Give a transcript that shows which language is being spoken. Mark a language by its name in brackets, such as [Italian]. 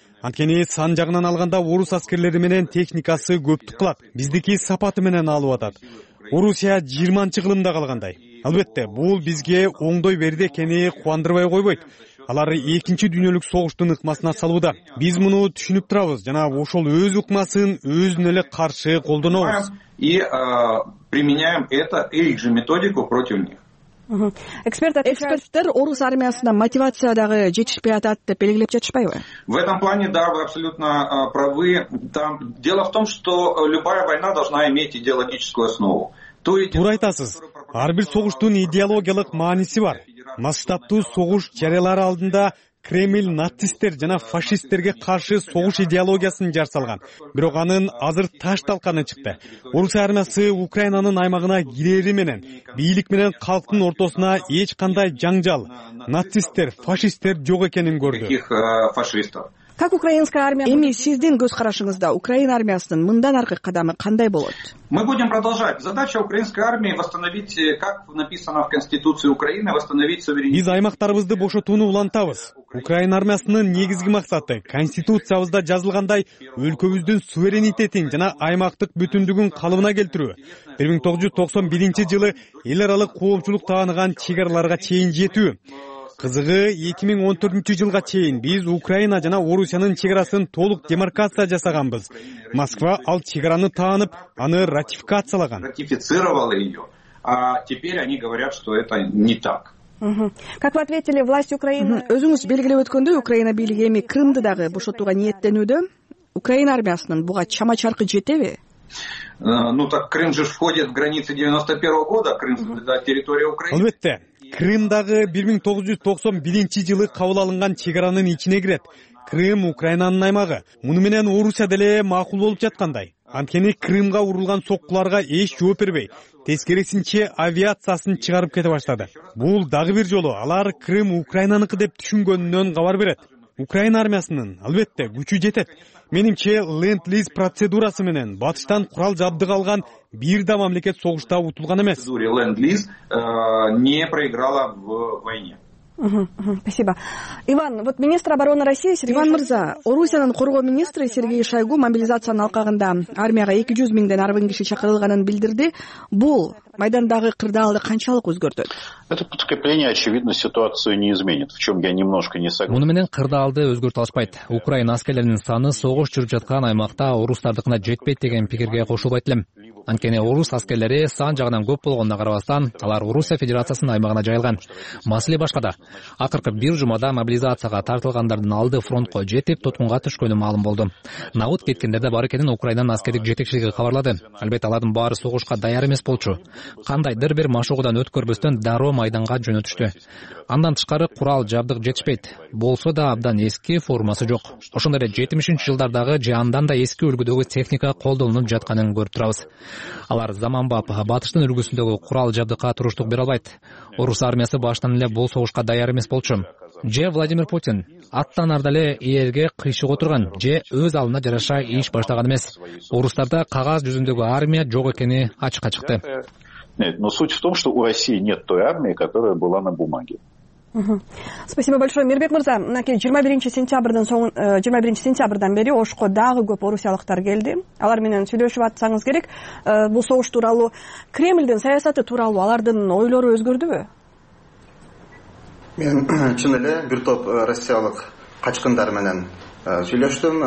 [Kyrgyz] Анткени сан жагынан алганда орус аскерлери менен техникасы көптүк кылат, биздики сапаты менен алып атат. Орусия 20-нчы кылымда калгандай. Албетте, бул бизге оңдой берди экени кубандырбай койбойт. Алар 2-нчи дүйнөлүк согуштун ыкмасына салууда. Биз муну түшүнүп турабыз жана ошол өз ыкмасын өзүнө эле каршы колдонобуз. [Russian] И применяем это их же методику против них. [Kyrgyz] Эксперттер орус армиясына мотивация дагы жетишпей атат деп белгилеп жатышпайбы? [Russian] В этом плане да, вы абсолютно правы. Там дело в том, что любая война должна иметь идеологическую основу. [Kyrgyz] Туура айтасыз. Ар бир согуштун идеологиялык мааниси бар. Масштабтуу согуш жарыялары алдында Кремль нацисттер жана фашисттерге каршы согуш идеологиясын жар салган. Бирок анын азыр таш талканы чыкты. Орус армиясы Украинанын аймагына кирери менен бийлик менен калктын ортосуна эч кандай жаңжал, нацисттер, фашисттер жок экенин көрдү. [Russian] Как украинская армия? [Kyrgyz] Эми сиздин көз карашыңызда Украина армиясынын мындан аркы кадамы кандай болот? [Russian] Мы будем продолжать. Задача украинской армии восстановить, как написано в Конституции Украины, восстановить суверенитет. [Kyrgyz] Биз аймактарыбызды бошотууну улантабыз. Украина армиясынын негизги максаты конституциябызда жазылгандай өлкөбүздүн суверенитетин жана аймактык бүтүндүгүн калыбына келтирүү. 1991 жылы эл аралык коомчулук тааныган чек араларга чейин жетүү. Кызыгы 2014 жылга чейин биз Украина жана Орусиянын чек арасын толук демаркация жасаганбыз. Москва ал чек араны таанып, аны ратификациялаган. [Russian] Ратифицировала её. А теперь они говорят, что это не так. Как вы ответили власть Украины? [Kyrgyz] Өзүңүз белгилеп өткөндөй, Украина бийлиги эми Крымды дагы бошотууга ниеттенүүдө. Украина армиясынын буга чама-чаркы жетеби? [Russian] Ну так Крым же входит в границы 91 года, Крым это территория Украины. [Kyrgyz] Албетте. Крымдагы 1991 жылы кабыл алынган чек аранын ичине кирет. Крым Украинанын аймагы. Муну менен Орусия деле макул болуп жаткандай. Анткени Крымга урулган соккуларга эч жооп бербей, тескерисинче авиациясын чыгарып кете баштады. Бул дагы бир жолу алар Крым Украинаныкы деп түшүнгөнүнөн кабар берет. Украина армиясынын албетте күчү жетет. Менимче ленд-лиз процедурасы менен батыштан курал жабдык алган бир да мамлекет согушта утулган эмес. [Russian] Ленд-лиз не проиграла в войне. Спасибо. Иван, вот министр обороны России Сергей [Kyrgyz] Иван Мырза, Орусиянын коргоо министри Сергей Шойгу мобилизациянын алкагында армияга 200 миңден арбын киши чакырылганын билдирди. Бул майдандагы кырдаалды канчалык өзгөртөт? [Russian] Это подкрепление, очевидно, ситуацию не изменит. В чём я немножко не согласен. [Kyrgyz] Муну менен кырдаалды өзгөртө алышпайт. Украина аскерлеринин саны согуш жүрүп жаткан аймакта орустардыкына жетпейт деген пикирге кошулбайт элем. Анткени орус аскерлери сан жагынан көп болгонуна карабастан, алар Орусия Федерациясынын аймагына жайылган. Маселе башкада. Акыркы бир жумада мобилизацияга тартылгандардын алды фронтко жетип, туткунга түшкөнү маалым болду. Наут кеткендер да бар экенин Украинанын аскердик жетекчилиги кабарлады. Албетте, алардын баары согушка даяр эмес болчу. Кандайдыр бир машыгуудан өткөрбөстөн дароо майданга жөнөтүштү. Андан тышкары курал жабдык жетишпейт. Болсо да абдан эски формасы жок. Ошондой эле 70-нчи жылдардагы же андан да эски үлгүдөгү техника колдонулуп жатканын көрүп турабыз. Алар заманбап батыштын үлгүсүндөгү курал жабдыкка туруштук бере албайт. Орус армиясы баштан эле бул согушка даяр эмес болчу. Же Владимир Путин аттанарда эле ээрге кыйшык отурган же өз алдына жараша иш баштаган эмес. Орустарда кагаз жүзүндөгү армия жок экени ачыкка чыкты. [Russian] Нет, но суть в том, что у России нет той армии, которая была на бумаге. Спасибо большое. [Kyrgyz] Мирбек Мырза, 21 сентябрдан бери Ошко дагы көп орусиялыктар келди. Алар менен сүйлөшүп атсаңыз керек. Бул согуш тууралуу, Кремлдин саясаты тууралуу алардын ойлору өзгөрдүбү? Мен чын эле бир топ россиялык качкындар менен сүйлөштүм.